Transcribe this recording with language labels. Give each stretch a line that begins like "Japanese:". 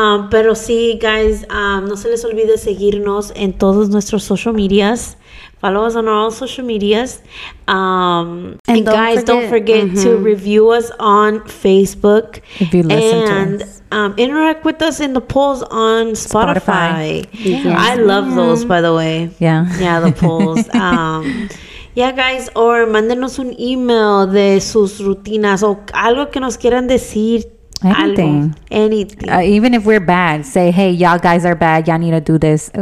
Spanish: Pero sí,
English: guys,
Spanish: no se les olvide seguirnos en todos nuestros social medias.
English: Follow us on all social medias. And don't guys, forget, don't forget to review us on Facebook. If you listen to us. And interact with us in the polls on Spotify. Yeah. I love those, by the way. Yeah. Yeah, the polls. Yeah, guys, or
Spanish: mándenos un email de sus rutinas o algo que nos quieran decir.
English: Anything. Even if we're bad, say, hey, y'all guys are bad, y'all need to do this.